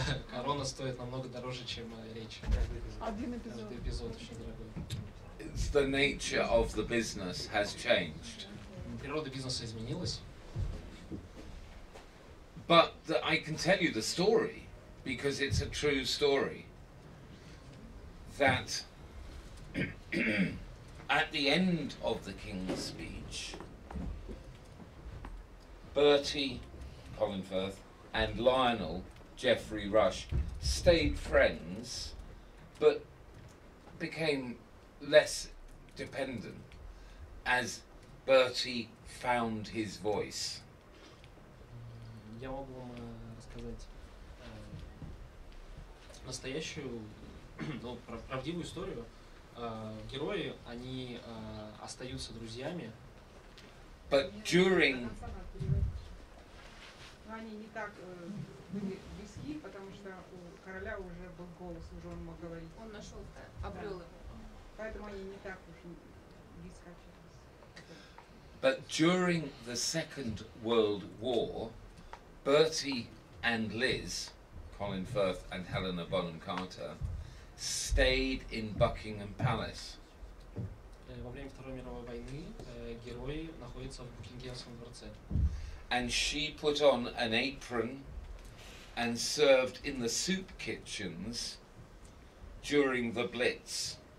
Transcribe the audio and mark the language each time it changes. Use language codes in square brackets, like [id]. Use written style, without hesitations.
[ru] Корона стоит намного дороже, чем речь. Один эпизод. Каждый эпизод очень дорогой. [en] It's the nature of the business has changed. [ru] Природа бизнеса изменилась. [en] But I can tell you the story, because it's a true story, that at the end of The King's Speech, Bertie, Colin Firth, and Lionel, Geoffrey Rush, stayed friends, but became less dependent as Bertie found his voice. [ru] Я могу вам рассказать настоящую, ну, правдивую историю. Герои, они остаются друзьями. [en] But during... [ru] Они не так были близки, потому что у короля уже был голос, уже он мог говорить. Он нашел, обрел да. Его. Поэтому они не так уж близко общались. [en] But during the Second World War, Bertie and Liz, Colin Firth and Helena Bonham Carter, stayed in Buckingham Palace. [ru] Во время Второй мировой войны герои находятся в Букингемском дворце. [en] And she put on an apron and served in the soup kitchens during the Blitz.